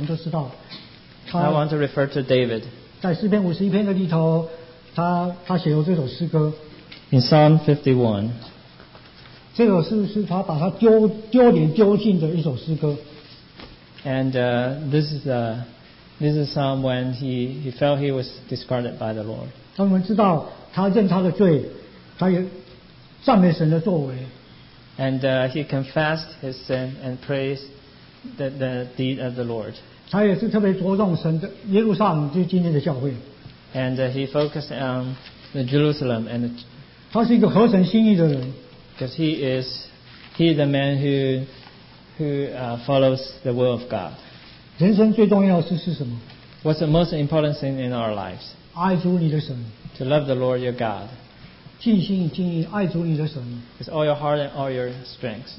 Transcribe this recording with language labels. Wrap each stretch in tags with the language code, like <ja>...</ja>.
<zh>下面一个榜样，我就很快提到大卫。我们都知道，他</zh> <en>I want to refer to David.</en> <zh>在诗篇51篇的里头，他写了这首诗歌。</zh> <en>In Psalm 51.</en> <zh>这首诗是他把他丢脸丢尽的一首诗歌。</zh> <en>And this is Psalm when he felt he was discarded by the Lord.</en> <zh>他认他的罪，他也赞美神的作为。</zh> <en>And he confessed his sin and praised the deed of the Lord.</en> <zh>他也是特别着重神的耶路撒冷，就是今天的教会。</zh> <en>And he focused on the Jerusalem and.</en> <zh>他是一个合神心意的人。</zh> <en>Because he is the man who follows the will of God.</en> <zh>人生最重要的是什么？</zh> <en>What's the most important thing in our lives?</en> <zh>爱主你的神。</zh> <en>To love the Lord your God.</en> <zh>尽心尽意爱主你的神,</zh> <en>with all your heart and all your strength.</en>